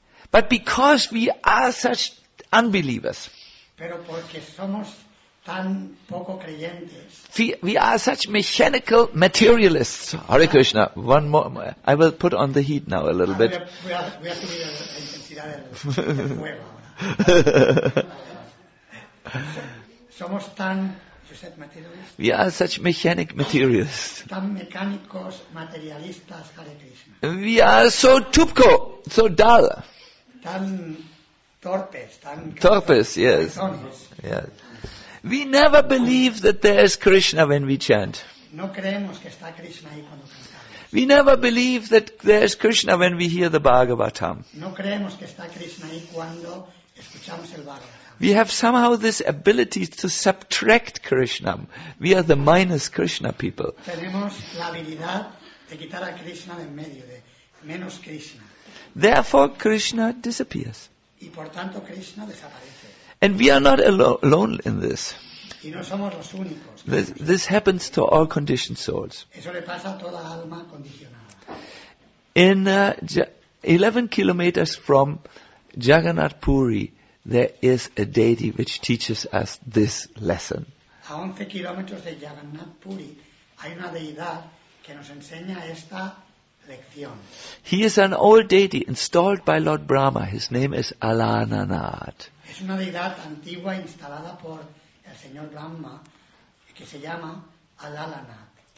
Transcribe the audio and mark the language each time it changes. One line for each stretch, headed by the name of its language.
English: But because we are such unbelievers.
Spanish: Pero porque somos tan poco creyentes.
English: We are such mechanical materialists. Hare Krishna. One more. I will put on the heat now a little bit.
Spanish: Voy a subir la intensidad del fuego ahora. Somos tan,
English: you said, materialists. We are such mechanic materialists.
Spanish: Tan mecánicos materialistas, Hare Krishna.
English: We are so tupco, so dull.
Spanish: Tan torpes, tan
English: torpes, yes. Yes. We never believe that there is Krishna when we chant.
Spanish: No creemos que está Krishna ahí cuando cantamos.
English: We never believe that there's Krishna when we hear the Bhagavatam.
Spanish: No creemos que está Krishna ahí cuando escuchamos el Bhagavatam.
English: We have somehow this ability to subtract Krishna. We are the minus Krishna people.
Spanish: Tenemos la habilidad de quitar a Krishna de en medio, de menos Krishna.
English: Therefore, Krishna disappears.
Spanish: Y por tanto, Krishna desaparece.
English: And we are not alone in this.
Spanish: Y no somos los únicos.
English: This happens to all conditioned souls.
Spanish: Eso le pasa a toda alma condicionada.
English: In 11 kilometers from Jagannath Puri, there is a deity which teaches us this lesson.
Spanish: A 11 kilómetros de Jagannath Puri hay una deidad que nos enseña esta lección.
English: He is an old deity installed by Lord Brahma. His name is Alananath.
Spanish: Es una deidad antigua instalada por el señor Brahma que se llama Alananath.